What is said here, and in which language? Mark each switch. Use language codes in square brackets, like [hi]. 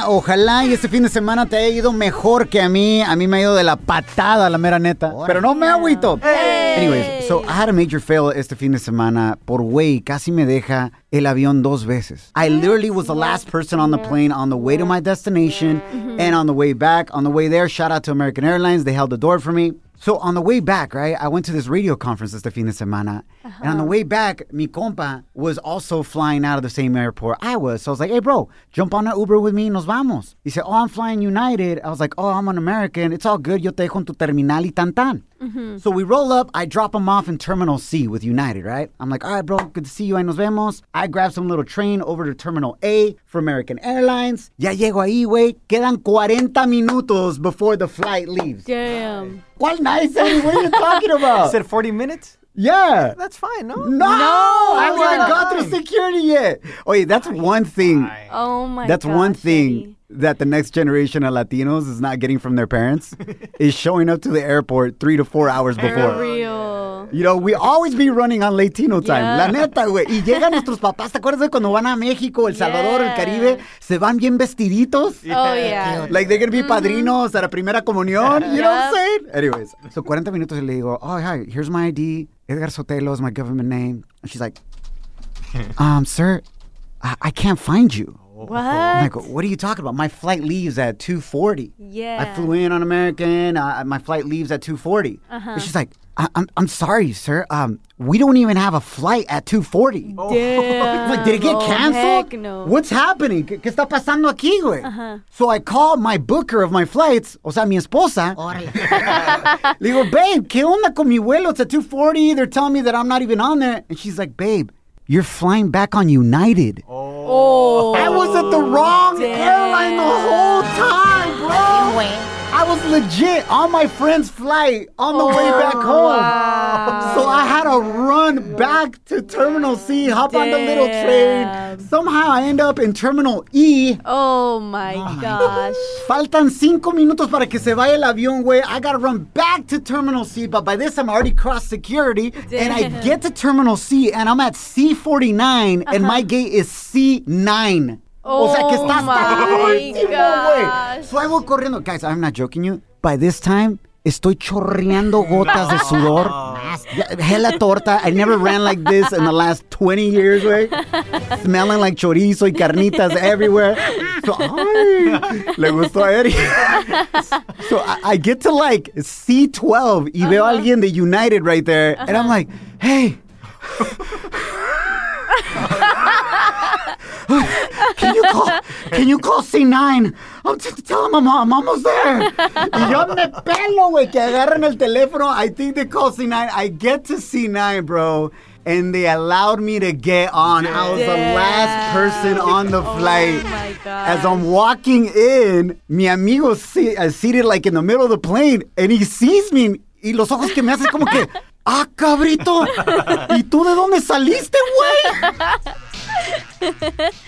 [es] Ojalá y este fin de semana te haya ido mejor que a mí. A mí me ha ido de la patada, la mera neta. Oh, pero no me agüito. [en] Hey. Anyways, so I had a major fail [es] este fin de semana. Por güey, casi me deja el avión dos veces. [en] I literally was the last person on the plane on the way to my destination and on the way back. On the way there, shout out to American Airlines. They held the door for me. So on the way back, right, I went to this radio conference [es] este fin de semana. [en] Uh-huh. And on the way back, [es] mi compa [en] was also flying out of the same airport I was. So I was like, hey, bro, jump on an Uber with me [es] y nos vamos. [en] He said, oh, I'm flying United. I was like, oh, I'm an American. It's all good. [es] Yo te dejo en tu terminal y tan tan. Mm-hmm. [en] So we roll up. I drop him off in Terminal C with United, right? I'm like, all right, bro, good to see you. [es] Ahí nos vemos. [en] I grab some little train over to Terminal A for American Airlines. [es] Ya llego ahí, güey. Quedan 40 minutos [en] before the flight leaves. Damn. What nice, Eddie. What are you talking about? You said 40 minutes? Yeah. That's fine, no? No! I haven't even gone through security yet. Oh, yeah, that's one thing. Oh, my God. That's one thing that the next generation of Latinos is not getting from their parents is showing up to the airport 3 to 4 hours before. For real. You know, we always be running on Latino time. Yeah. [es] La neta, güey. Y llegan nuestros papás. ¿Te acuerdas de cuando van a México, El Salvador, El Caribe? Se van bien vestiditos. [en] Yeah. Oh, yeah. Like, they're gonna be [es] padrinos a la primera comunión. [en] You know what I'm saying? Anyways. So [es] 40 minutos y le digo, [en] oh, hi, here's my ID. Edgar Sotelo is my government name. And she's like, sir, I can't find you. What? I'm like, what are you talking about? My flight leaves at 2:40. Yeah. I flew in on American. My flight leaves at 2:40. Uh-huh. She's like, I'm sorry, sir. We don't even have a flight at 2:40. Damn. Like, did it get canceled? Heck no. What's happening? [es] ¿Qué está pasando aquí, güey? Uh-huh. [en] So I called my booker of my flights, [es] o sea, mi esposa. Órale. Le digo, babe, ¿qué onda con mi vuelo? [en] It's at 2:40. They're telling me that I'm not even on there. And she's like, babe, you're flying back on United. Oh. I was at the wrong airline the whole time, bro. Wait. I was legit on my friend's flight on the way back home. Wow. So I had to run back to Terminal C, hop on the little train. Somehow I end up in Terminal E. Oh, my gosh. [es] Faltan 5 minutos para que se vaya el avión, güey. [en] I got to run back to Terminal C, but by this I'm already cross security. Damn. And I get to Terminal C, and I'm at C49, and my gate is C9. [es] Oh, o sea, que estás [en] güey. So I go corriendo. Guys, I'm not joking you. By this time, [es] estoy chorreando gotas de sudor. [en] Hella torta. I never ran like this in the last 20 years, güey. Smelling like chorizo y carnitas everywhere. So, [es] le gustó a Eddie. [en] So I get to like C12 [es] y veo a alguien de United [en] right there. Uh-huh. And I'm like, hey. Can you call C9? Tell him I'm almost there. [es] Y yo me pelo, güey, que agarran el teléfono. [en] I think they call C9. I get to C9, bro, and they allowed me to get on. Yeah. I was the last person on the flight. Oh, as I'm walking in, [es] mi amigo [en] seated like in the middle of the plane, and he sees me, [es] y los ojos que me hacen como que, ah, cabrito, ¿y tú de dónde saliste, güey?